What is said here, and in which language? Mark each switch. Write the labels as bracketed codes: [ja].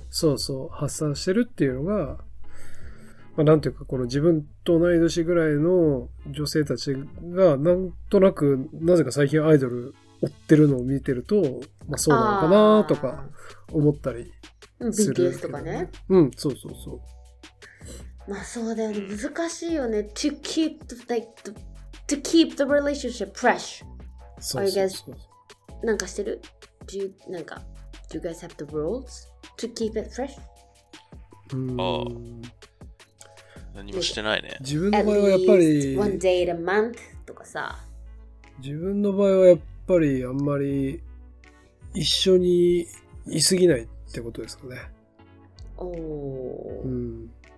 [ja] そうそう、発散してるっていうのが、まあ、なんていうか、この自分と同い年ぐらいの女性たちがなんとなくなぜか最近アイドル追ってるのを見てると、まあ、そうなのかなとか思ったりする。 BTS とかね、うん、そうそうそう、まあそうだよね、難しいよね。 [en] To keep the, like, the, to keep the relationship fresh. [ja] そうそうそうそう。なんかしてる？ [en] Do you, なんか Do you guys have the rules to keep it fresh? [ja] ああ、何もしてないね。自分の場合はやっぱり [en] One day a month とかさ、 [ja] 自分の場合はやっぱりあんまり一緒にいすぎないってことですかね。おお、うん、